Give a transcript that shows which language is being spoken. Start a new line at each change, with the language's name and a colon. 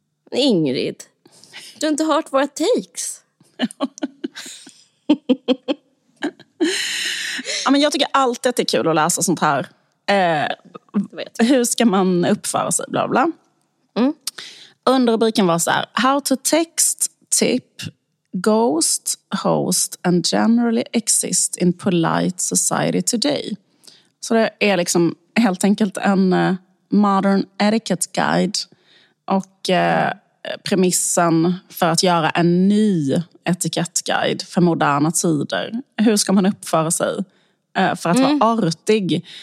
Swedish: Ingrid, du har inte hört våra takes. Ja, men jag tycker alltid att det är kul att läsa sånt här. Hur ska man uppföra sig? Bla bla. Mm. Underrubriken var så här.
English: How to text, tip, ghost, host and generally exist in polite society today.
Swedish: Så det är liksom helt enkelt en modern etiquette guide. Och premissen för att göra en ny etikettguide för moderna tider. Hur ska man uppföra sig för att vara artig?